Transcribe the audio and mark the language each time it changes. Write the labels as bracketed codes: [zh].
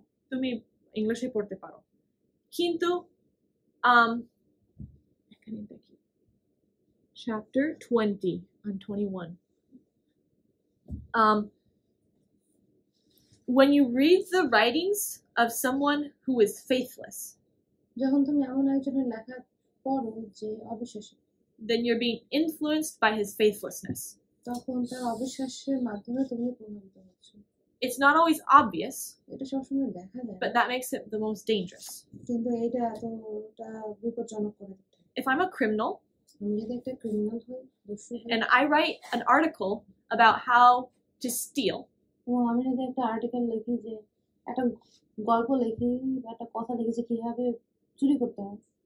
[bn] তুমি ইংলিশে পড়তে পারো, কিন্তু এখানে দেখি chapter 20 [en] and 21, when you read the writings of someone who is faithless, [bn] যখন তুমি এমন একজনের লেখা পড়ো যে অবিশ্বাসী, [en] then you're being influenced by his faithlessness, [bn] তখন তার অবিশ্বাসের মাধ্যমে তুমি প্রভাবিত হচ্ছো. [en] It's not always obvious, [bn] এটা সবসময় দেখা যায়, [en] but that makes it the most dangerous, [bn] কিন্তু এটা এতটা বিপজ্জনক করে দিতে. [en] If I'm a criminal, [bn] আমি যদি একটা ক্রিমিনাল হই, [en] and I write an article about how to steal, [bn] আমি যদি একটা আর্টিকেল লিখি যে একটা গল্প লিখি বা একটা কথা লিখি যে কিভাবে চুরি করতে হয়,